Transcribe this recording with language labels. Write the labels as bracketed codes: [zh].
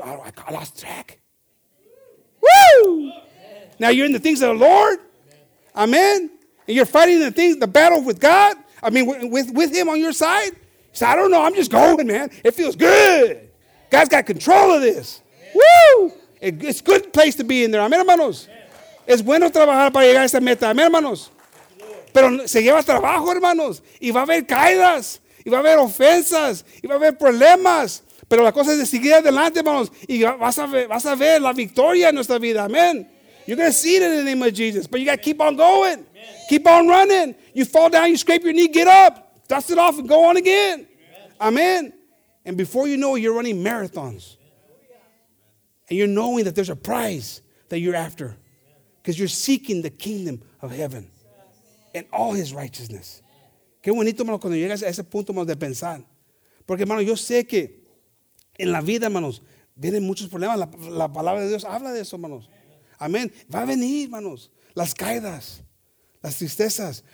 [en] Oh, I lost track. Woo! Now you're in the things of the Lord. Amen. And you're fighting the battle with God. I mean, with him on your side? He said, I don't know. I'm just going, man. It feels good. God's got control of this. Amen. Woo! It's a good place to be in there. Amen, hermanos. [es] Amen. Es bueno trabajar para llegar a esa meta. Amen, hermanos. Pero se lleva trabajo, hermanos. Y va a haber caídas. Y va a haber ofensas. Y va a haber problemas. Pero la cosa es de seguir adelante, hermanos. Y vas a ver la victoria en nuestra vida. Amen. [en] You're going to see it in the name of Jesus. But you got to keep on going. Amen. Keep on running. You fall down, you scrape your knee, get up. Dust it off and go on again. Amen. And before you know it, you're running marathons. And you're knowing that there's a prize that you're after. Because you're seeking the kingdom of heaven. And all his righteousness. [es] Qué bonito, hermano, cuando llegas a ese punto, hermano, de pensar. Porque, hermano, yo sé que en la vida, hermanos, vienen muchos problemas. La palabra de Dios habla de eso, hermanos. Amén. Va a venir, hermanos, las caídas, las tristezas.